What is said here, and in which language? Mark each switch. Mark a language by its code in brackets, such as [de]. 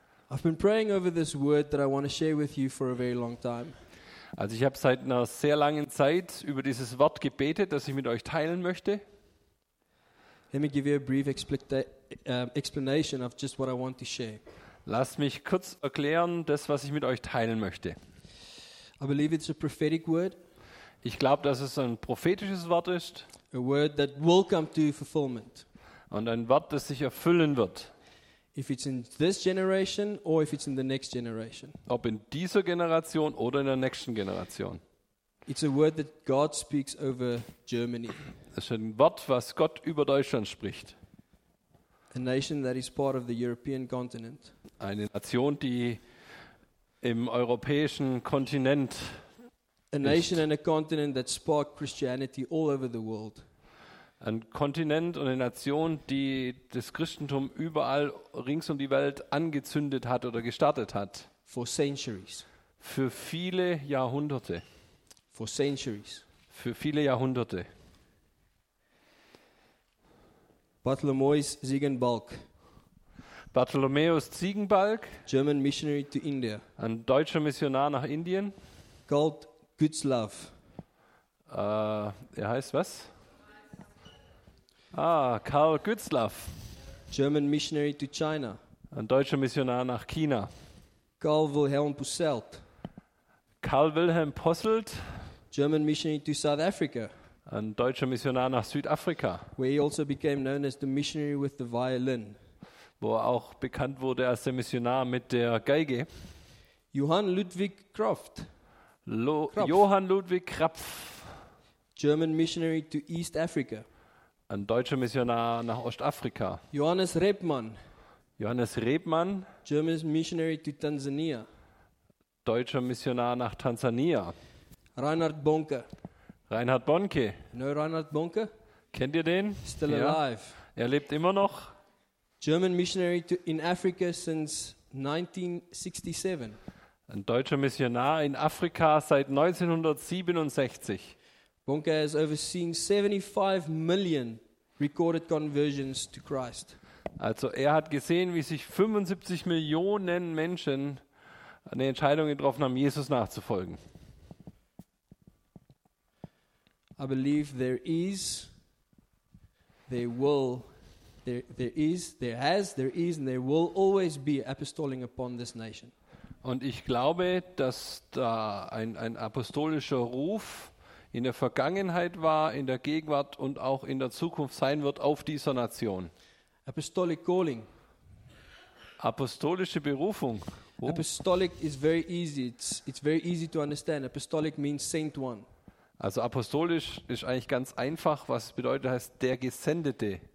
[en] I've been praying over this word that I want to share with you for a very long time. [de] Also ich habe seit einer sehr langen Zeit über dieses Wort gebetet, das ich mit euch teilen möchte. [en] Let me give you a brief explanation of just what I want to share. [de] Lass mich kurz erklären, das, was ich mit euch teilen möchte. [en] I believe it's a prophetic word. [de] Ich glaube, dass es ein prophetisches Wort ist. [en] A word that will come to fulfillment. [de] Und ein Wort, das sich erfüllen wird. [en] If it's in this generation or if it's in the next generation. [de] Ob in dieser Generation oder in der nächsten Generation. [en] It's a word that God speaks over Germany. [de] Es ist ein Wort, was Gott über Deutschland spricht. [en] A nation that is part of the European continent. [de] Eine Nation, die im europäischen Kontinent [en] ist. A nation and a continent that sparked Christianity all over the world. [de] Ein Kontinent und eine Nation, die das Christentum überall rings um die Welt angezündet hat oder gestartet hat. [en] For centuries. [de] Für viele Jahrhunderte. [en] For centuries. [de] Für viele Jahrhunderte. [en] Bartholomäus Ziegenbalg. [de] Bartholomäus Ziegenbalg. [en] German missionary to India. [de] Ein deutscher Missionar nach Indien. [en] Called Gützlaff. [de] Er heißt was? Ah, Karl Gützlaff. [en] German missionary to China. [de] Ein deutscher Missionar nach China. [en] Karl Wilhelm Posselt. [de] Karl Wilhelm Posselt. [en] German missionary to South Africa. [de] Ein deutscher Missionar nach Südafrika. [en] Where he also became known as the missionary with the violin. [de] wo er auch bekannt wurde als der Missionar mit der Geige. [en] Johann Ludwig Kraft. [de] Johann Ludwig Krapf. [en] German missionary to East Africa. [de] Ein deutscher Missionar nach Ostafrika. [en] Johannes Rebmann. [de] Johannes Rebmann. [en] German missionary to Tanzania. [de] Deutscher Missionar nach Tanzania. [en] Reinhard Bonke. [de] Reinhard Bonke. [en] No Reinhard Bonke? [de] Kennt ihr den? [en] Still ja. Alive. [de] Er lebt immer noch. [en] German missionary in Africa since 1967. [de] Ein deutscher Missionar in Afrika seit 1967. [en] Bonke has overseen 75 million recorded conversions to Christ. [de] Also er hat gesehen, wie sich 75 Millionen Menschen eine Entscheidung getroffen haben, Jesus nachzufolgen. [en] I believe there is, and there will always be apostolic upon this nation. [de] Und ich glaube, dass da ein apostolischer Ruf in der Vergangenheit war, in der Gegenwart und auch in der Zukunft sein wird auf dieser Nation. [en] Apostolic calling. [de] Apostolische Berufung. [en] Oh. Apostolic is very easy. It's very easy to understand. Apostolic means sent one. [de] Also apostolisch ist eigentlich ganz einfach, was bedeutet, heißt der Gesendete,